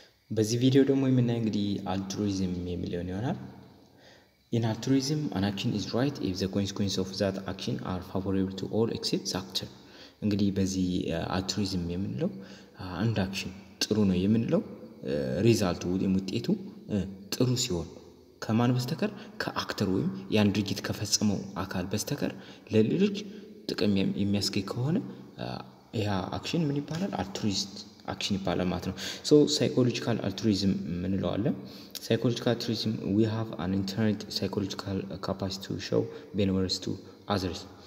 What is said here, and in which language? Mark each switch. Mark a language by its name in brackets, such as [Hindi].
[Amharic] በዚህ ቪዲዮ ደግሞ የምናየው እንግዲህ አልትሩይዝም የሚለውን ይሆናል። [English] In altruism, an action is right if the consequences of that action are favorable to all except the actor. [Amharic] እንግዲህ በዚህ አልትሩይዝም የምንለው አንድ አክሽን ጥሩ ነው የምንለው ሪዛልቱ ወይም ውጤቱ ጥሩ ሲሆን ከማን በስተቀር ከአክተር ወይም ያን ድርጊት ከፈጸመው አካል በስተቀር ለሌሎች ጥቅም የሚያስገኝ ከሆነ ያ አክሽን ምን ይባላል? አልትሩይስት አክሽን ይባላል ማለት ነው። ሶ ሳይኮሎጂካል አልትሩይዝም ምን ይለዋል? [English] Psychological altruism, we have an inherent psychological capacity to show benevolence to others.